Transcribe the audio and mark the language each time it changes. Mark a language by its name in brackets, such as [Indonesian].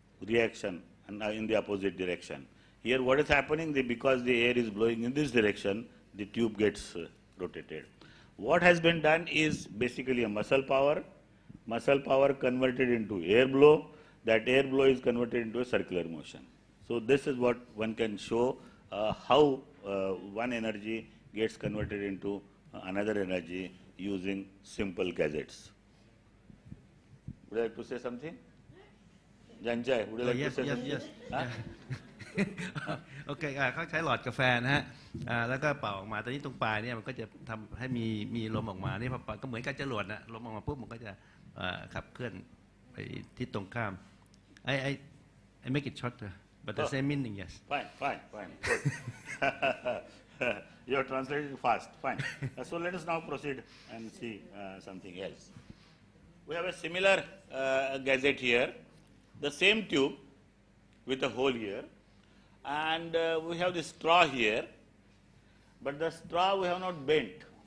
[English] reaction and in the opposite direction here what is happening the because the air is blowing in this direction the tube gets rotated what has been done is basically a muscle power converted into air blow that air blow is converted into a circular motion so this is what one can show how one energy gets converted into another energy using simple gadgets would you like to say something Janjay would you like to say yes something? yes okay [Thai] เขาใช้หลอดกาแฟนะฮะแล้วก็เป่าออกมาตอนนี้ตรงปลายเนี่ยมันก็จะทําให้มีลมออกมานี่ก็เหมือนกับจรวดน่ะลมออกมาปุ๊บมันก็จะขับเคลื่อนไปที่ตรงข้ามไอ้ [English] make it shorter but the same meaning yes fine good You are translating fast, fine. so let us now proceed and see something else. We have a similar gadget here, the same tube with a hole here, and we have the straw here, but the straw we have not bent.